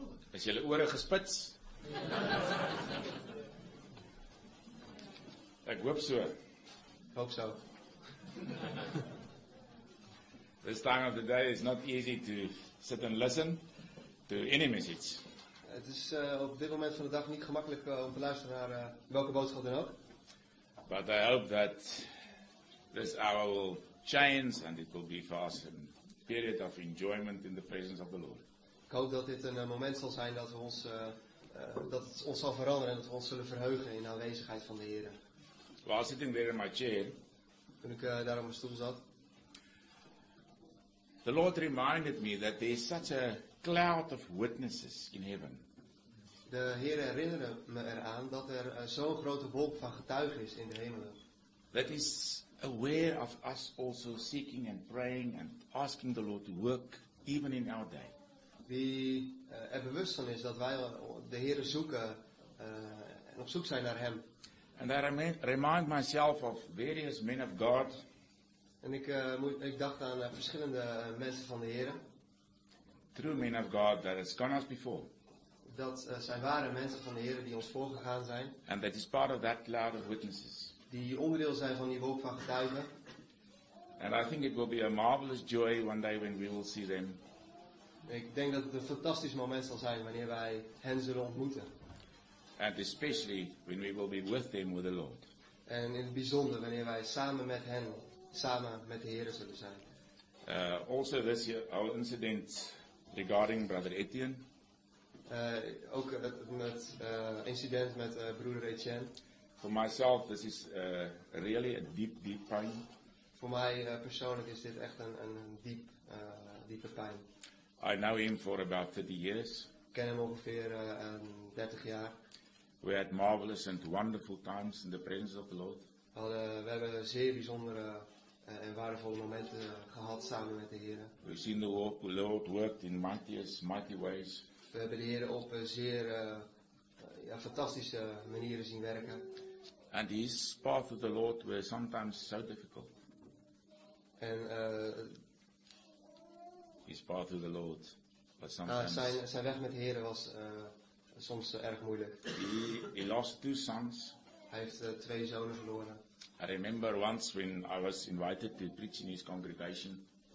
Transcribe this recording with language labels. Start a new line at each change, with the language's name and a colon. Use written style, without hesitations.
Dutch: Is jullie oren gespits? Ik hoop zo. Ik hoop zo.
English: This time of the day is not easy to sit and listen to any message.
Dutch: Het is op dit moment van de dag niet gemakkelijk om te luisteren naar welke boodschap dan ook.
English: But I hope that this hour will change and it will be for us a period of enjoyment in the presence of the Lord.
Dutch: Ik hoop dat dit een moment zal zijn dat we ons dat het ons zal veranderen en dat we ons zullen verheugen in de aanwezigheid van de Heer.
English: While sitting there in my chair,
Dutch: toen ik daar op mijn stoel zat,
English: the Lord reminded me that there is such a cloud of witnesses in heaven.
Dutch: De Heer herinnerde me eraan dat er zo'n grote wolk van getuigen is in de hemelen.
English: That is aware of us also seeking and praying and asking the Lord to work even in our day.
Dutch: Die er bewust van is dat wij de Heer zoeken en op zoek zijn naar Hem.
English: And I remind myself of various men of God.
Dutch: En ik dacht aan verschillende mensen van de Heer.
English: True men of God that has gone us before.
Dutch: Dat zijn ware mensen van de Heer die ons voorgegaan zijn.
English: And that is part of that cloud of witnesses.
Dutch: Die onderdeel zijn van die wolk van getuigen.
English: And I think it will be a marvelous joy one day when we will see them.
Dutch: Ik denk dat het een fantastisch moment zal zijn wanneer wij hen zullen ontmoeten.
English: And especially when we will be with them with the Lord.
Dutch: En in het bijzonder wanneer wij samen met hen, samen met de Heer zullen zijn.
English: Also this year, our incident regarding Brother Etienne.
Dutch: Ook het incident met broeder Etienne.
English: For myself, this is really a deep pain.
Dutch: Voor mij persoonlijk is dit echt een diepe pijn.
English: I know him for about 30 years.
Dutch: Ik ken hem ongeveer 30 jaar.
English: We had marvelous and wonderful times in the presence of the Lord.
Dutch: We hebben zeer bijzondere en waardevolle momenten gehad samen met de Heer. We zien
English: the Lord worked in mighty ways.
Dutch: We hebben de Heer op zeer fantastische manieren zien werken.
English: And his path with the Lord were sometimes so difficult.
Dutch: En
English: his path with the Lord was
Dutch: zijn weg met de Heer was soms erg moeilijk.
English: He lost two sons.
Dutch: Hij heeft twee zonen verloren.
English: I remember once when I was invited to preach in his congregation.